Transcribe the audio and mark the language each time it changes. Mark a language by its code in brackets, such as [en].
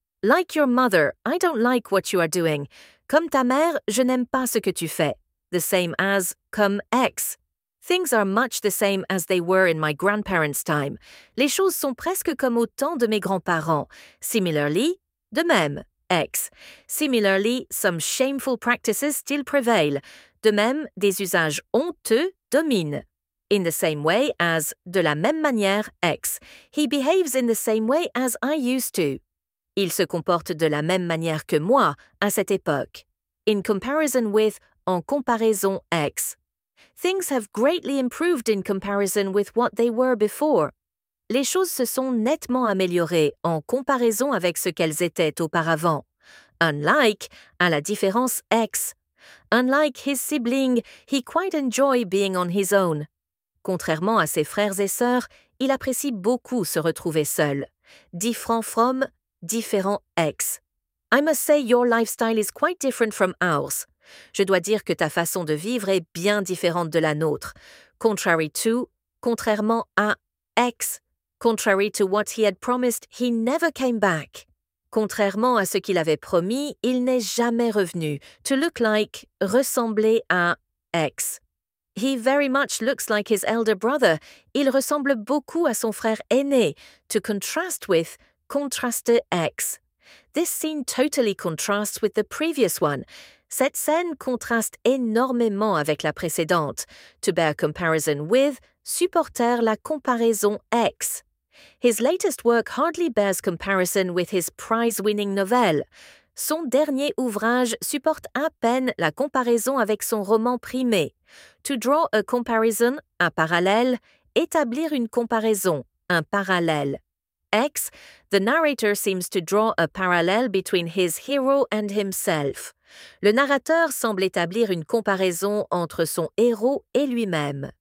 [en] Like your mother, I don't like what you are doing. [fr] Comme ta mère, je n'aime pas ce que tu fais. [en] The same as, comme ex. Things are much the same as they were in my grandparents' time. [fr] Les choses sont presque comme au temps de mes grands-parents. [en] Similarly, [fr] de même, [en] ex. Similarly, some shameful practices still prevail. [fr] De même, des usages honteux dominent. [en] In the same way as, [fr] de la même manière, ex. [en] He behaves in the same way as I used to. [fr] Il se comporte de la même manière que moi à cette époque. [en] In comparison with, [fr] en comparaison, [en] ex. Things have greatly improved in comparison with what they were before. [fr] Les choses se sont nettement améliorées en comparaison avec ce qu'elles étaient auparavant. [en] Unlike, [fr] à la différence [en] ex. Unlike his sibling, he quite enjoys being on his own. [fr] Contrairement à ses frères et sœurs, il apprécie beaucoup se retrouver seul. [en] Different from, différent ex. I must say your lifestyle is quite different from ours. [fr] Je dois dire que ta façon de vivre est bien différente de la nôtre. [en] Contrary to, [fr] contrairement à, [en] ex. Contrary to what he had promised, he never came back. [fr] Contrairement à ce qu'il avait promis, il n'est jamais revenu. [en] To look like, [fr] ressembler à, [en] ex. He very much looks like his elder brother. [fr] Il ressemble beaucoup à son frère aîné. [en] To contrast with, [fr] contraster ex. [en] This scene totally contrasts with the previous one. [fr] Cette scène contraste énormément avec la précédente. [en] To bear comparison with, [fr] supporter la comparaison [en] ex. His latest work hardly bears comparison with his prize-winning novel. [fr] Son dernier ouvrage supporte à peine la comparaison avec son roman primé. [en] To draw a comparison, [fr] un parallèle, établir une comparaison, un parallèle. [en] Ex, the narrator seems to draw a parallel between his hero and himself. [fr] Le narrateur semble établir une comparaison entre son héros et lui-même.